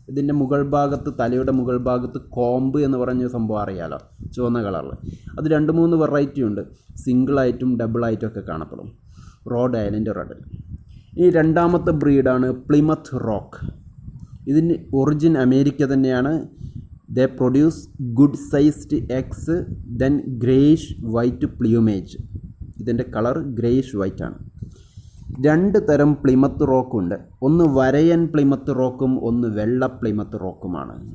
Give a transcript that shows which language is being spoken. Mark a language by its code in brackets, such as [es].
[ml] ഇതിൻ്റെ മുകൾ ഭാഗത്ത്, തലയുടെ മുകൾ ഭാഗത്ത് കോംബ് എന്ന് പറഞ്ഞ സംഭവം അറിയാലോ, ചുവന്ന കളറിൽ. അത് 2-3 വെറൈറ്റി ഉണ്ട്, സിംഗിളായിട്ടും ഡബിളായിട്ടുമൊക്കെ കാണപ്പെടും റോഡ് ഐലൻഡ് റെഡ്. ഈ 2nd ബ്രീഡാണ് പ്ലിമത്ത് റോക്ക്. ഇതിന് ഒറിജിൻ അമേരിക്ക തന്നെയാണ്. [en] They produce good sized eggs, then grayish white plumage. [ml] ഇതിൻ്റെ കളർ ഗ്രേയിഷ് വൈറ്റ് ആണ്. 2 തരം പ്ലിമത്ത് റോക്കുണ്ട്, ഒന്ന് വരയൻ പ്ലിമത്ത് റോക്കും ഒന്ന് വെള്ള പ്ലിമത്ത് റോക്കുമാണ്.